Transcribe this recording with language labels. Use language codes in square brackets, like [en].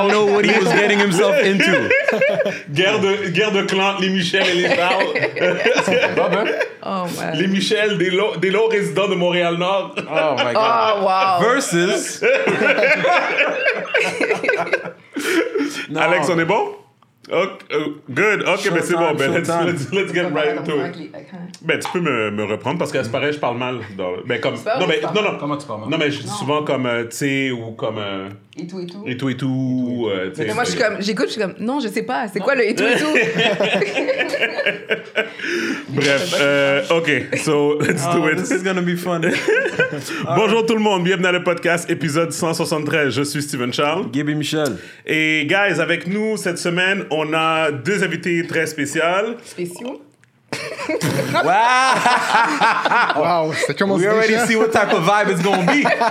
[en] Did not know what he was getting himself into. [fr] Guerre de clans, les Michel et les Charles. Les Michel, des longs résidents de Montréal-Nord. [en] Oh, my God. Oh, wow. Versus. [fr] Non. Alex, on est bon? [en] Okay, good. [fr] OK, mais ben c'est bon. Ben, [en] let's get right into it. [fr] Ben, tu peux me reprendre parce qu'à ce pareil, je parle mal. Comment tu parles mal? Non, mais je dis souvent comme, tu sais, ou comme... Et tout. Mais moi, j'écoute, je suis comme, non, je sais pas. C'est quoi le et tout? [en] Bref. OK, so let's do it. This is gonna be fun. [fr] Bonjour tout le monde, bienvenue à le podcast épisode 173. Je suis Steven Charles. Gaby Michel. Et guys, avec nous cette semaine, on a deux invités très spéciales. Spéciaux. Wow, c'est comme on se [en] dit. We already see what type of vibe it's gonna be.